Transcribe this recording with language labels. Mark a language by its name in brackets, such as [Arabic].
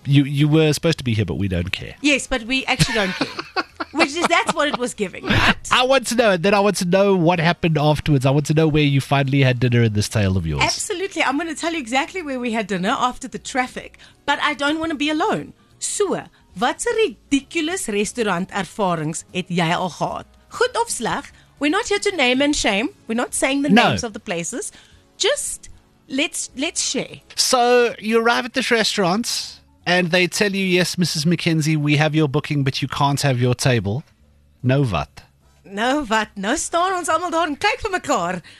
[English] You were supposed to be here, but we don't care. Yes, but we actually don't care. Which is, that's what it was giving, right? I want to know. And then I want to know what happened afterwards. I want to know where you finally had dinner in this tale of yours. Absolutely. I'm going to tell you exactly where we had dinner after the traffic. But I don't want to be alone. Sure. [Afrikaans] Wat 'n ridiculous restaurant ervarings het jy al gehad? Goed of sleg? [English] We're not here to name and shame. We're not saying the names of the places. Just let's share. So you arrive at this restaurant and they tell you, yes, Mrs. McKenzie, we have your booking, but you can't have your table. [Afrikaans] No wat? Nou staan ons almal daar en kyk vir mekaar.